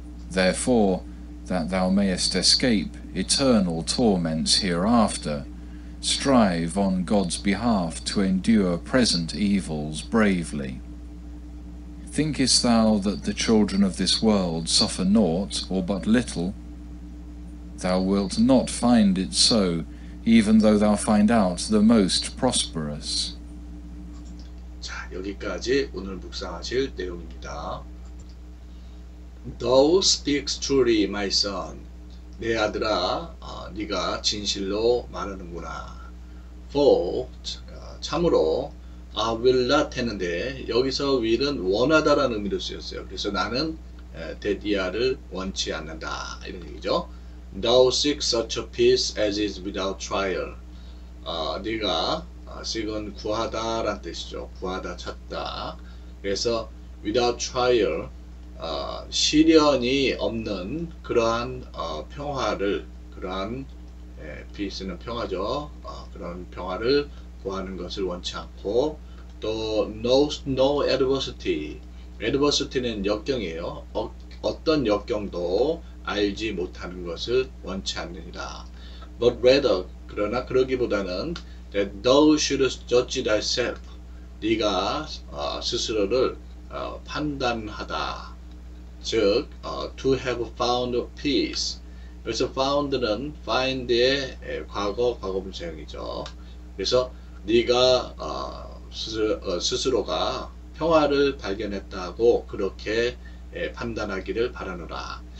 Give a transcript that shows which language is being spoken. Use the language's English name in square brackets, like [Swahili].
[English] Therefore, that thou mayest escape eternal torments hereafter, strive on God's behalf to endure present evils bravely. Thinkest thou that the children of this world suffer naught or but little? Thou wilt not find it so, even though thou find out the most prosperous. [Korean] 자, 여기까지 오늘 묵상하실 내용입니다. [English] Thou speaks truly, my son. [Korean] 내 아들아, 네가 진실로 말하는구나. For, 참으로, [English] I will not [Korean] 했는데, 여기서 will은 원하다라는 의미로 쓰였어요. 그래서 나는 that 이하를 원치 않는다. 이런 얘기죠. [English] Thou seek such a peace as is without trial. [Korean] 네가 seek은 구하다라는 뜻이죠. 구하다, 찾다. 그래서 [English] without trial, [Korean] 시련이 없는 그러한 평화를, 그러한 peace는 평화죠. 그런 평화를 구하는 것을 원치 않고, 또 no adversity. adversity는 역경이에요. 어떤 역경도 알지 못하는 것을 원치 않느니라. [English] But rather, [Korean] 그러나 그러기보다는 [English] that thou shouldst judge thyself, [Korean] 네가 스스로를 판단하다. [English] 즉, to have found peace. [Korean] 그래서 found는 find의 과거분사형이죠. 그래서 네가 스스로가 평화를 발견했다고 그렇게 판단하기를 바라노라.